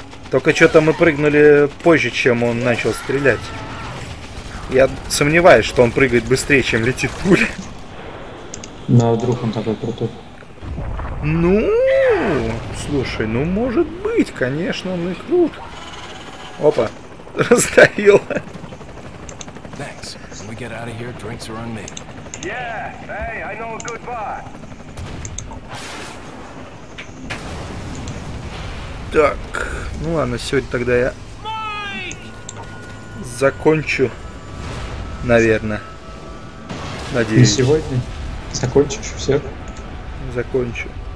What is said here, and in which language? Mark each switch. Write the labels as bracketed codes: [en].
[ru] Только что-то мы прыгнули позже, чем он начал стрелять. Я сомневаюсь, что он прыгает быстрее, чем летит пуля. Ну, а вдруг он такой крутой? Ну, слушай, ну может быть, конечно, он и крут. Опа, раздавило. [en] Thanks. When we get out of here, drinks are on me. Yeah, hey, I know a good bar. [ru] Так, ну ладно, сегодня тогда я закончу, наверное. Надеюсь. Не сегодня? Закончишь всех? Закончу.